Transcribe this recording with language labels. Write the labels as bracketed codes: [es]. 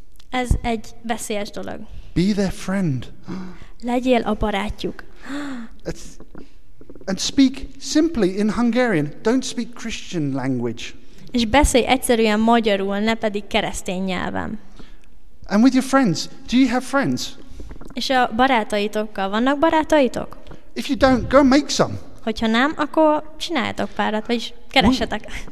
[hu] Ez egy veszélyes dolog. [en] Be their friend. [hu] Legyél a barátjuk. [en] It's, And speak simply in Hungarian. Don't speak Christian language. [hu] És beszélj egyszerűen magyarul, ne pedig keresztény nyelven. [en] And with your friends, do you have friends? [hu] És a barátaitokkal vannak barátaitok? [en] If you don't, go make some. [hu] Hogyha nem, akkor csináljatok párat, vagyis keressetek.